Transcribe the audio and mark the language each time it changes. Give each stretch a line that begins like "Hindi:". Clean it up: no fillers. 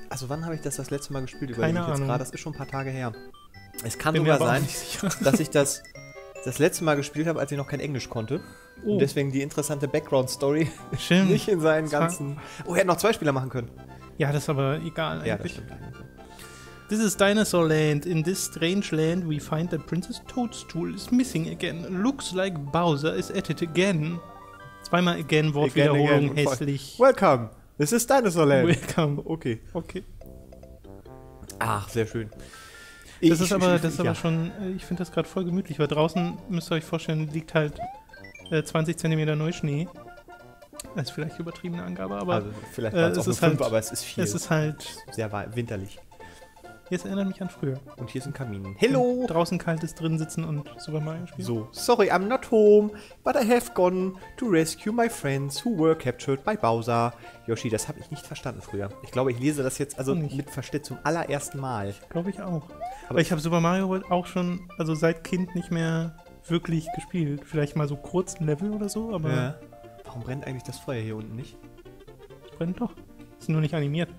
German: Also wann habe ich das letzte Mal gespielt? Keine Ahnung. Jetzt grad, das ist schon ein paar Tage her. Es kann sogar sein, dass ich das letzte Mal gespielt habe, als ich noch kein Englisch konnte. Oh. Und deswegen die interessante Background-Story. Stimmt. Nicht in seinen ganzen... Oh, er hätte noch zwei Spieler machen können. Ja, das ist aber egal eigentlich.
English: This is Dinosaur Land. In this strange land, we find that Princess Toadstool is missing again. Looks like Bowser is at it again.
German: Zweimal again, Wortwiederholung, hässlich.
English: Welcome. This is Dinosaur Land. Welcome.
German: Okay. Okay. Ach, sehr schön. Ich finde das gerade voll gemütlich, weil draußen, müsst ihr euch vorstellen, liegt halt 20 cm Neuschnee. Das ist vielleicht eine übertriebene Angabe, aber. Also, vielleicht war es auch nur 5, halt, aber es ist viel. Es ist halt. Sehr winterlich. Jetzt erinnert mich an früher. Und hier ist ein Kamin.
English: Hello!
German: Und draußen kalt ist, drin sitzen und Super Mario spielen. So.
English: Sorry, I'm not home, but I have gone to rescue my friends who were captured by Bowser.
German: Yoshi, das habe ich nicht verstanden früher. Ich glaube, ich lese das jetzt also mit Verschnitt zum allerersten Mal. Glaube ich auch. Aber ich habe Super Mario World auch schon, also seit Kind nicht mehr wirklich gespielt. Vielleicht mal so kurz ein Level oder so, aber... Ja. Warum brennt eigentlich das Feuer hier unten nicht? Brennt doch. Ist nur nicht animiert.